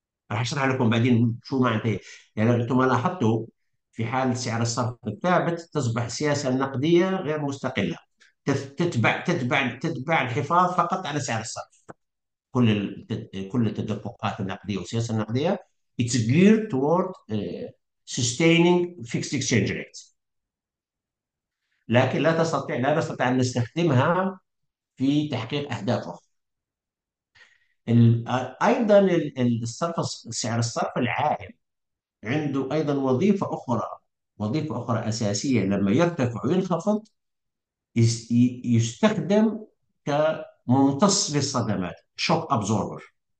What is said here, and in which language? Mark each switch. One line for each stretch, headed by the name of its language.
Arabic: راح أشرح لكم بعدين شو معناته. يعني أنتم لاحظتوا في حال سعر الصرف الثابت تصبح السياسة النقدية غير مستقلة، تتبع الحفاظ فقط على سعر الصرف. كل التدفقات النقدية والسياسة النقدية
English: it's geared toward sustaining fixed exchange rate.
Arabic: لكن لا نستطيع ان نستخدمها في تحقيق اهداف اخرى. ايضا الصرف سعر الصرف العائم عنده ايضا وظيفه اخرى اساسيه. لما يرتفع وينخفض يستخدم كممتص للصدمات،
English: Shock absorber.